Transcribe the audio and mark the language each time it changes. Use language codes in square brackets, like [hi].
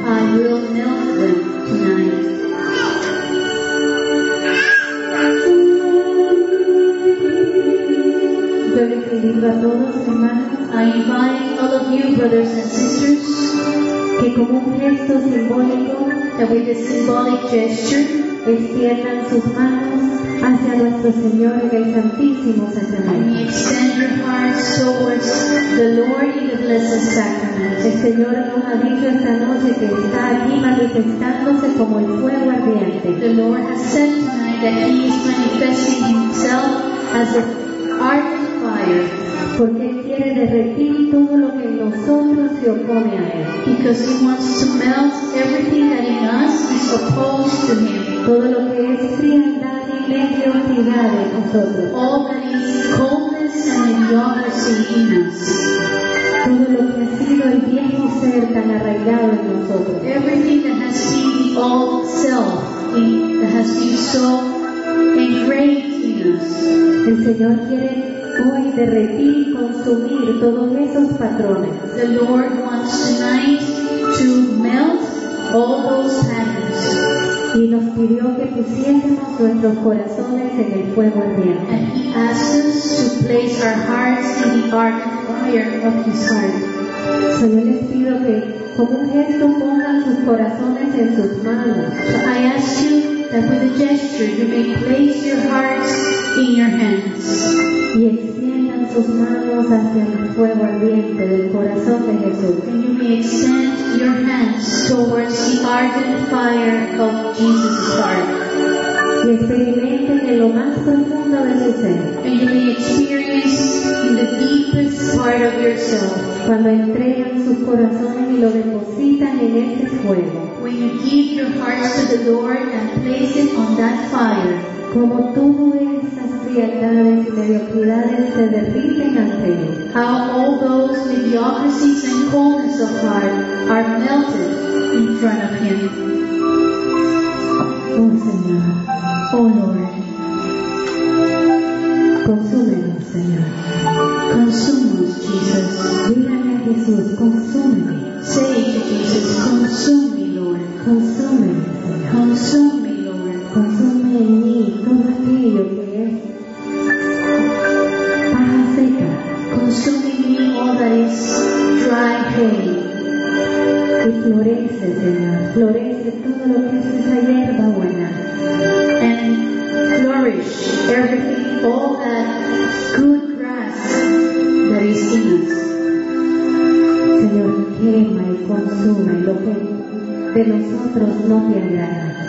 [en] I will melt them tonight. [es] Yo les invito a todos, hermanos. [en] I invite all of you, brothers and sisters, [es] que como un gesto simbólico, [en] that with a symbolic gesture, [es] extiendan sus manos hacia nuestro Señor en el Santísimo Sacramento. [en] We extend your hearts towards the Lord in the Blessed Sacrament. [es] El Señor nos ha dicho esta noche que está aquí manifestándose como el fuego ardiente. [en] The Lord has said tonight that He is manifesting Himself as a ardent [es] porque quiere derretir todo lo que en nosotros se opone a él. [en] Because he wants to melt everything that in us is opposed to him. [es] Todo lo que es frialdad y mediocridad en nosotros. [en] All that is coldness and mediocrity in us. [es] Todo lo que ha sido el viejo ser tan arraigado en nosotros. [en] Everything that has been the old self that has been so engraved in us. [es] El Señor quiere hoy derretir y consumir todos esos patrones. [en] The Lord wants tonight to melt all those patterns. [es] Y nos pidió que pusiésemos nuestros corazones en el fuego ardiente. [en] And He asked us to place our hearts in the ardent fire of His heart. [es] So yo les pido que como un gesto pongan sus corazones en sus manos. [en] So I ask you that with a gesture you may place your hearts in your hands. [es] Y extiendan sus manos hacia el fuego ardiente del corazón de Jesús. [en] And you may extend your hands towards the ardent fire of Jesus' heart. [es] Y experimenten en lo más profundo de su ser. [en] And you may experience in the deepest part of yourself. [es] Cuando entregan sus corazones y lo depositan en ese fuego. [en] When you give your hearts to the Lord and place it on that fire. [es] Como todo esas frialdades y mediocridades se derriten ante él. [en] How all those mediocrities and coldness of heart are melted in front of him. [es] Oh Señor, [en] oh Lord, [es] consúmenos, Señor. Consúmenos, Jesus. Dígame a Jesús, consúmeme. [en] Say to Jesus, consume me, Lord. [es] Consúmeme, Señor. [en] Consume me, Lord. [es] Consume en mí todo aquello que es paja seca. [en] Consume in me all that is dry hay. [es] Y florece, Señor. Florece todo lo que es esa hierba buena. [en] And flourish everything, all that good grass that is in us. [es] Señor, quema y consume lo que de nosotros no te agrada.